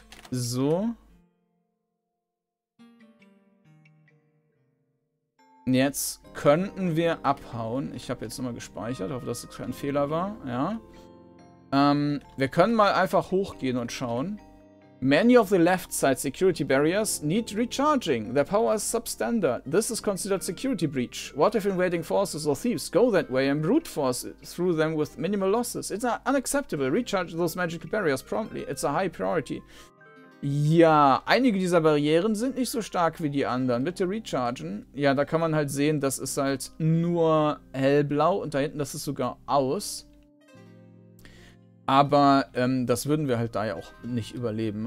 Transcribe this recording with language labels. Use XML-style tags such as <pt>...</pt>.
<de>So. Und jetzt könnten wir abhauen. Ich habe jetzt nochmal gespeichert, hoffe, dass es kein Fehler war. Ja. Wir können mal einfach hochgehen und schauen.</de> <en>Many of the left side security barriers need recharging. Their power is substandard. This is considered security breach. What if invading forces or thieves go that way and brute force through them with minimal losses? It's unacceptable. Recharge those magical barriers promptly. It's a high priority.</en> <de>Ja, einige dieser Barrieren sind nicht so stark wie die anderen. Bitte rechargen. Ja, da kann man halt sehen, das ist halt nur hellblau und da hinten, das ist sogar aus. Aber das würden wir halt da ja auch nicht überleben.</de>